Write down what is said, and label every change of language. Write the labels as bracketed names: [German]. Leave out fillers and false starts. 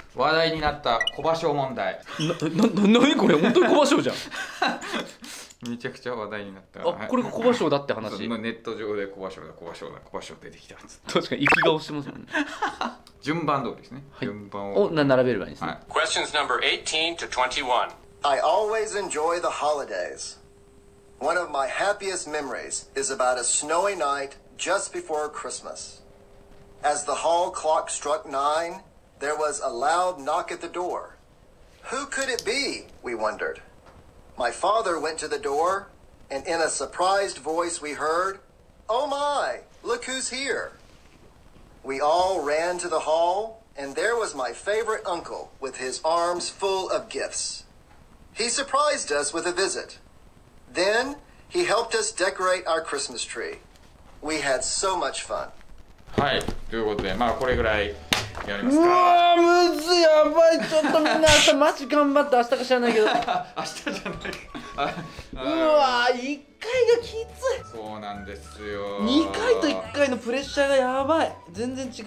[Japanese] 話題になった小芭蕉問題。何これ、本当に小芭蕉じゃん。めちゃくちゃ話題になった。あ、これが小芭蕉だって話。今ネット上で小芭蕉だ、小芭蕉だ、小芭蕉出てきたやつ。確かに息が押してますもんね。順番通りですね。はい、順番を並べればいいですね。 [English] Questions number 18 to 21. I always enjoy the holidays. One of my happiest memories is about a snowy night just before Christmas. As the hall clock struck 9,There was a loud knock at the door. Who could it be? We wondered. My father went to the door, and in a surprised voice we heard, Oh my, look who's here. We all ran to the hall, and there was my favorite uncle with his arms full of gifts. He surprised us with a visit. Then he helped us decorate our Christmas tree. We had so much fun. [Japanese] はい、ということで、まあこれぐらい。うわーむずやばい、ちょっとみんな明日マジ頑張って、明日か知らないけど明日じゃないか。うわー1回がきつい。そうなんですよ、 2回と1回のプレッシャーがやばい、全然違う。